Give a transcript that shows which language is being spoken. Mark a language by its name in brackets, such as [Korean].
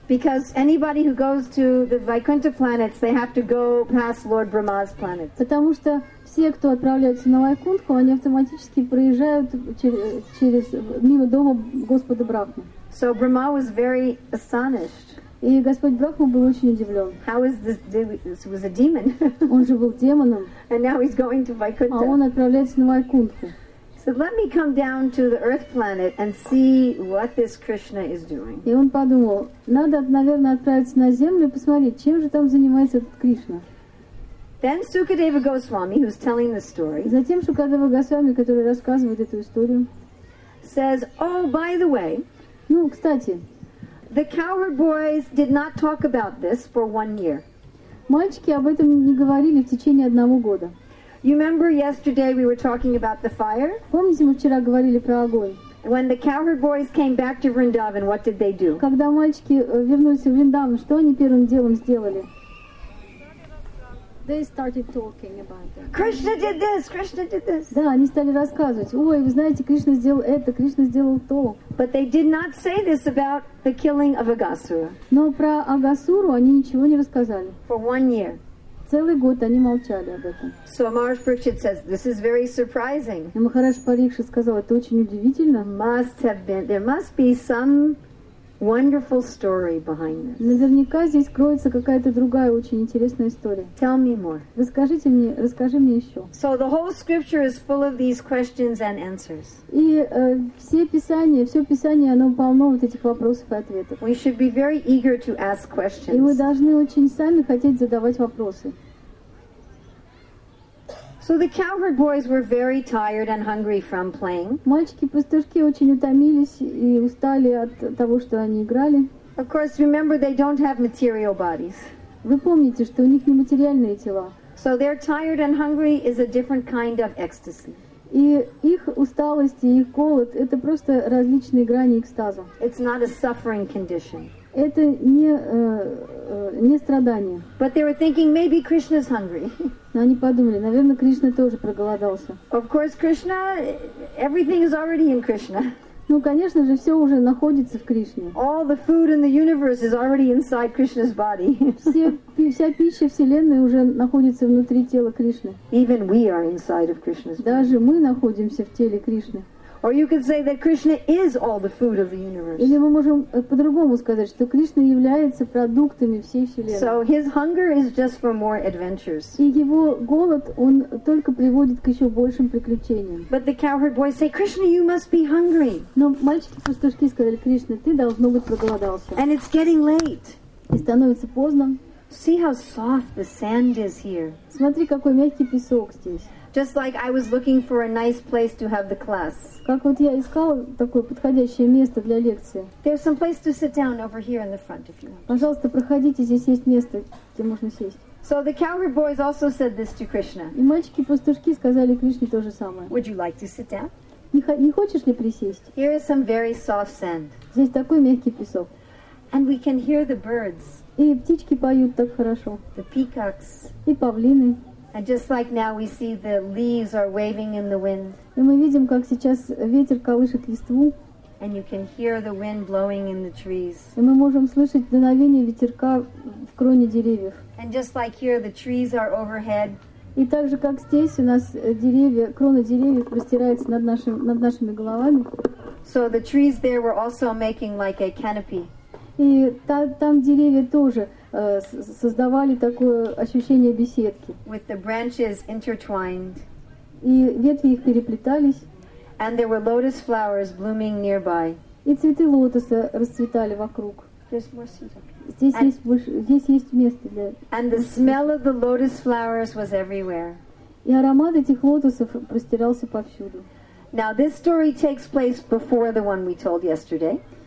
[English] Because anybody who goes to the Vaikuntha planets, they have to go past Lord Brahma's planet. [Russian] Потому что все, кто отправляются на Вайкунтху, они автоматически проезжают через мимо дома Господа Брахмы. [English] So Brahma was very astonished. [Russian] И Господь Брахма был очень удивлен. [English] How is this was a demon. [Russian] Он же был демоном. [English] And now he's going to Vaikuntha. [Russian] А он отправляется на Вайкунтху. [English] So let me come down to the Earth planet and see what this Krishna is doing. [Russian] И он подумал, надо, наверное, отправиться на Землю и посмотреть, чем же там занимается этот Кришна. [English] Then Sukadeva Goswami, who's telling the story, [Russian] затем Шукадева Госвами, который рассказывает эту историю, [English] says, "Oh, by the way, [Russian] ну, кстати, [English] the cowherd boys did not talk about this for one year. [Russian] Мальчики об этом не говорили в течение одного года. [English] You remember yesterday we were talking about the fire? [Russian] Помните, мы вчера говорили про огонь? [English] When the cowherd boys came back to Vrindavan, what did they do? [Russian] Когда мальчики вернулись в Вриндаван, что они первым делом сделали? [English] They started talking about it. Krishna did this. Krishna did this. [Russian] Да, они стали рассказывать. Ой, вы знаете, Кришна сделал это, Кришна сделал то. [English] But they did not say this about the killing of Агасуру. [Russian] Но про Агасуру они ничего не рассказали. [English] For one year. [Russian] Целый год они молчали об этом. [English] So Maharaj Parikshit says this is very surprising. [Russian] И Махарадж Парикшит сказал, это очень удивительно. [English] Must have been. There must be some wonderful story behind this. [Russian] Наверняка здесь кроется какая-то другая очень интересная история. [English] Tell me more. [Russian] Расскажите мне, расскажи мне еще. [English] So the whole scripture is full of these questions and answers. [Russian] И все писание, оно полно вот этих вопросов и ответов. [English] We should be very eager to ask questions. [Russian] И мы должны очень сами хотеть задавать вопросы. [English] So the cowherd boys were very tired and hungry from playing. [Russian] Мальчики-пастушки очень утомились и устали от того, что они играли. [English] Of course, remember they don't have material bodies. [Russian] Вы помните, что у них нематериальные тела. [English] So they're tired and hungry is a different kind of ecstasy. [Russian] И их усталость и их голод — это просто различные грани экстаза. [English] It's not a suffering condition. [Russian] Это не страдание. [English] But they were thinking maybe Krishna's hungry. [Russian] Но они подумали, наверное, Кришна тоже проголодался. [English] Of course, Krishna, everything is already in Krishna. [Russian] Ну, конечно же, все уже находится в Кришне. [English] All the food in the universe is already inside Krishna's body. [Russian] Вся пища вселенной уже находится внутри тела Кришны. [English] Even we are inside of Krishna's body. [Russian] Даже мы находимся в теле Кришны. [English] Or you could say that Krishna is all the food of the universe. [Russian] Или мы можем по-другому сказать, что Кришна является продуктами всей вселенной. [English] So his hunger is just for more adventures. [Russian] И его голод, он только приводит к еще большим приключениям. [English] But the cowherd boys say, Krishna, you must be hungry. [Russian] Но мальчики-пастушки сказали, Кришна, ты должно быть проголодался. [English] And it's getting late. [Russian] И становится поздно. [English] See how soft the sand is here. [Russian] Смотри, какой мягкий песок здесь. [English] Just like I was looking for a nice place to have the class. [Russian] Как вот я искала такое подходящее место для лекции. [English] There's some place to sit down over here in the front if you want. [Russian] Пожалуйста, проходите, здесь есть место, где можно сесть. [English] So the cowherd boys also said this to Krishna. [Russian] И мальчики-пастушки сказали Кришне то же самое. [English] Would you like to sit down? [Russian] Не хочешь ли присесть? [English] Here is some very soft sand. [Russian] Здесь такой мягкий песок. [English] And we can hear the birds. [Russian] И птички поют так хорошо. [English] The peacocks. [Russian] И павлины. [English] And just like now we see the leaves are waving in the wind. [Russian] И мы видим, как сейчас ветер колышет листву. [English] And you can hear the wind blowing in the trees. [Russian] И мы можем слышать дуновение ветерка в кроне деревьев. [English] And just like here the trees are overhead. [Russian] И так же, как здесь, у нас деревья, крона деревьев простирается над нашими головами. [English] So the trees there were also making like a canopy. [Russian] И там деревья тоже создавали такое ощущение беседки. [English] With the branches intertwined. [Russian] И ветви их переплетались. [English] And there were lotus flowers blooming nearby. [Russian] И цветы лотоса расцветали вокруг. [English] There's more seeds. [Russian] Здесь есть место для. [English] And the smell of the lotus flowers was everywhere. [Russian] И аромат этих лотосов простирался повсюду. [English] Now this story takes place before the one we told yesterday.